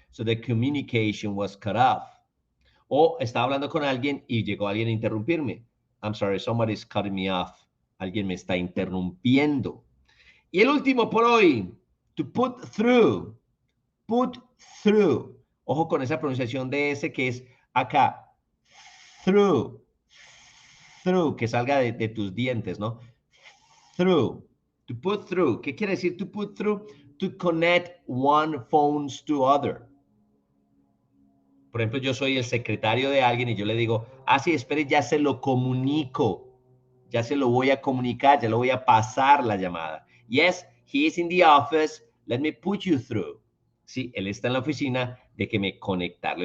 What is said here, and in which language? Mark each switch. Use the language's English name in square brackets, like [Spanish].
[English] So the communication was cut off. [Spanish] O estaba hablando con alguien y llegó alguien a interrumpirme. [English] I'm sorry, somebody's cutting me off. [Spanish] Alguien me está interrumpiendo. Y el último por hoy, to put through. [English] Put through. [Spanish] Ojo con esa pronunciación de S que es acá. Through. Through. Que salga de tus dientes, ¿no? Through. To put through. ¿Qué quiere decir to put through? [English] To connect one phones to other. [Spanish] Por ejemplo, yo soy el secretario de alguien y yo le digo, ah, sí, espere, ya se lo comunico. Ya se lo voy a comunicar, ya lo voy a pasar la llamada. [English] Yes, he is in the office. Let me put you through. [Spanish] Sí, él está en la oficina, déjeme conectarlo.